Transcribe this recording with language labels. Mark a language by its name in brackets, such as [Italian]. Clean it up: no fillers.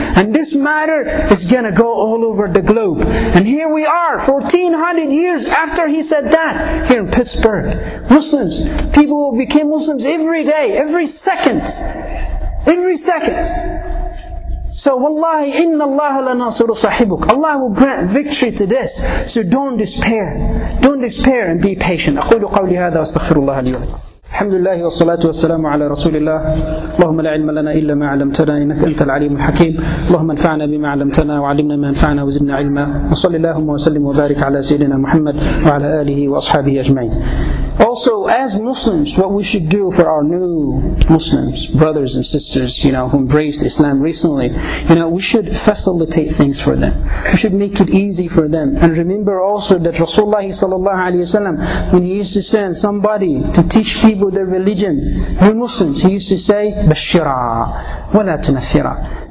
[English] And this matter is going to go all over the globe. And here we are, 1400 years after he said that, here in Pittsburgh. Muslims, people became Muslims every day, every second. Every second. So [Arabic] wallahi, inna Allah la nasiru sahibuk. [English] Allah will grant victory to this. So don't despair. Don't despair and be patient. [Arabic] أقول قولي هذا واستغفر الله لي ولكم. الحمد لله والصلاة والسلام على رسول الله اللهم لا علم لنا إلا ما علمتنا إنك أنت العليم الحكيم اللهم انفعنا بما علمتنا وعلمنا ما انفعنا وزدنا علما وصلي اللهم وسلم وبارك على سيدنا محمد وعلى آله وأصحابه أجمعين. [English] Also, as Muslims, what we should do for our new Muslims, brothers and sisters, you know, who embraced Islam recently, you know, we should facilitate things for them. We should make it easy for them. And remember also that Rasulullah sallallahu alayhi wa sallam, when he used to send somebody to teach people their religion, new Muslims, he used to say, [Arabic] Bashira, wala tunathira.